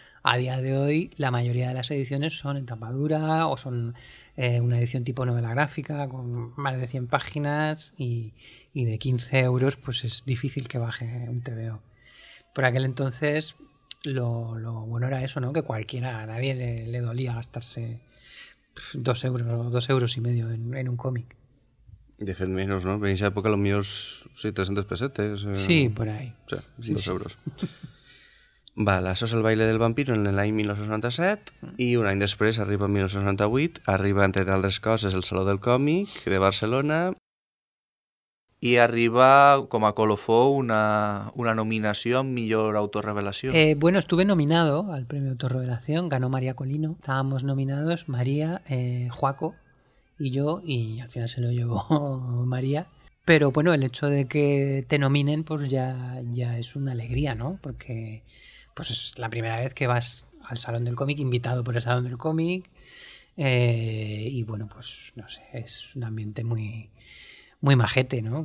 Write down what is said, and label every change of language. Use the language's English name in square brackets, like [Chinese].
[Spanish] A día de hoy, la mayoría de las ediciones son en tapa dura o son una edición tipo novela gráfica con más de 100 páginas y de 15 euros, pues es difícil que baje un TVO. Por aquel entonces, lo bueno era eso, ¿no? Que cualquiera, a nadie le dolía gastarse 2 euros o 2,5 euros en un cómic. [Catalan] De fet, [Spanish] menos, ¿no? En esa época, los míos, sí, 300 pesetes. Sí, por ahí. O sea, sí, 2 euros. [Catalan] Vale, això és el baile del vampiro en l'any 1997 i un any després arriba en 1998, arriba entre d'altres coses el Saló del Còmic de Barcelona i arriba com a colofó una nominació amb millor autorrevelació. [Spanish] Bueno, estuve nominado al Premio Autorrevelación, ganó María Colino, estábamos nominados María, Joaco y yo, y al final se lo llevó María. Pero bueno, el hecho de que te nominen pues ya es una alegría, ¿no? Porque... pues es la primera vez que vas al Salón del Cómic, invitado por el Salón del Cómic, y bueno, pues no sé, es un ambiente muy, muy majete, ¿no?